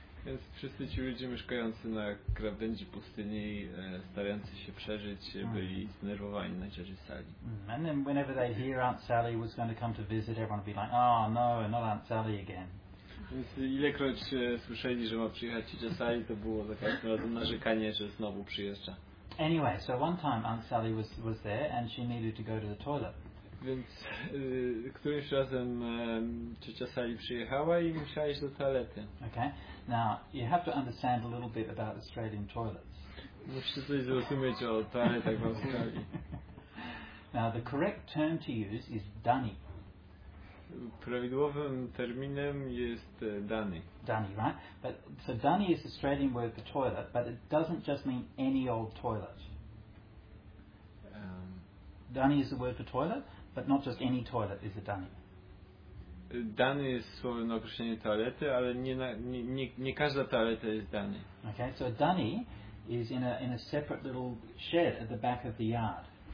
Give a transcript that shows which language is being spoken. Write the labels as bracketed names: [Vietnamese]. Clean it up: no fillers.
[Polish] Więc wszyscy ci ludzie mieszkający na krawędzi pustyni, starający się przeżyć, byli zdenerwowani na ciocie Sally. Mm. [English] And then whenever they hear Aunt Sally was going to come to visit, everyone would be like, oh no, not Aunt Sally again. [Polish] Więc ilekroć słyszeli, że ma przyjechać ciocia Sally, to było za każdym razem narzekanie, że znowu przyjeżdża. [English] Anyway, so one time Aunt Sally was there and she needed to go to the toilet. [Polish] Więc którymś razem ciocia Sally przyjechała i musiała iść do toalety. [English] Okay. Now, you have to understand a little bit about Australian toilets. [Polish] Musicie coś zrozumieć o toaletach w Australii. [English] Now, the correct term to use is dunny. [Polish] Prawidłowym terminem jest dunny. [English] Dunny, right? But, so dunny is the Australian word for toilet, but it doesn't just mean any old toilet. Dunny is the word for toilet, but not just any toilet is a dunny. [Polish] Dunny jest słowem na określenie toalety, ale nie każda toaleta jest dunny. [English] Okay, so a dunny is in a separate little shed at the back of the yard.